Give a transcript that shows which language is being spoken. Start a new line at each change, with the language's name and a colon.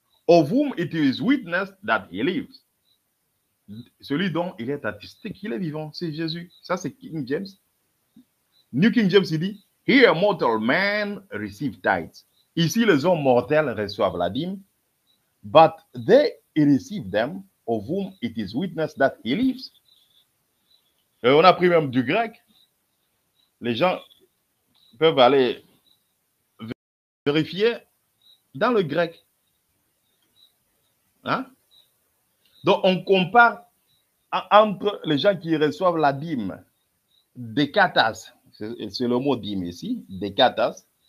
English: of whom it is witness that he lives.
French: Celui dont il est attesté qu'il est vivant, c'est Jésus. Ça, c'est King James. New King James, il dit,
English: here mortal men receive tithes.
French: Ici, les hommes mortels reçoivent la dîme,
English: but they receive them of whom it is witness that he lives.
French: Et on a pris même du grec. Les gens peuvent aller vérifier dans le grec. Hein? Donc, on compare entre les gens qui reçoivent la dîme, décatas, c'est le mot dîme ici, décatas.